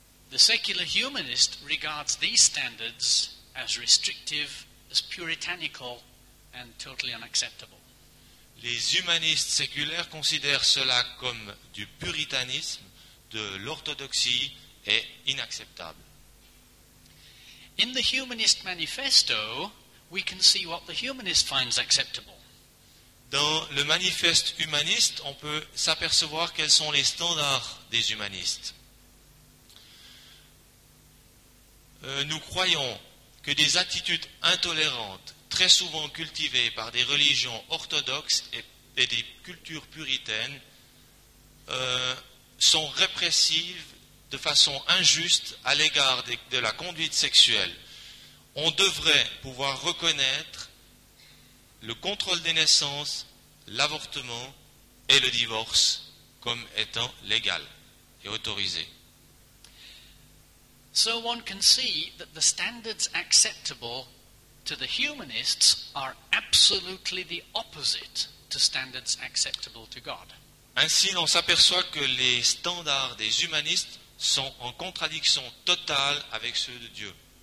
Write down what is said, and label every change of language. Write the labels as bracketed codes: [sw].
[en] The secular humanist regards these standards as restrictive, as puritanical, and totally unacceptable. [fr] Les humanistes séculaires considèrent cela comme du puritanisme, de l'orthodoxie et inacceptable. [en] In the Humanist Manifesto, we can see what the humanist finds acceptable. [fr] Dans le manifeste humaniste, on peut s'apercevoir quels sont les standards des humanistes. Nous croyons que des attitudes intolérantes très souvent cultivées par des religions orthodoxes et des cultures puritaines, sont répressives de façon injuste à l'égard de la conduite sexuelle. On devrait pouvoir reconnaître le contrôle des naissances, l'avortement et le divorce comme étant légal et autorisé. [en] So one can see that the standards acceptable to the humanists are absolutely the opposite to standards acceptable to God. [fr] Ainsi, on s'aperçoit que les standards des humanistes sont en contradiction totale avec ceux de Dieu.